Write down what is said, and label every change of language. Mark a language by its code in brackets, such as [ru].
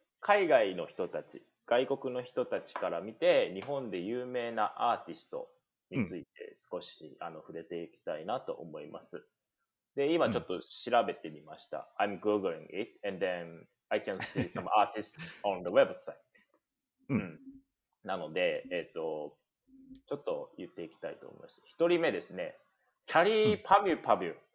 [ja] 海外の人たち、外国の人たちから見て、日本で有名なアーティストについて少し、うん、触れていきたいなと思います。で、今ちょっと調べてみました。 [en] うん、I'm Googling it and then I can see some artists on the website. [ja] うん。なので、ちょっと言っていきたいと思います。一人目ですね。キャリーパビュパビュ。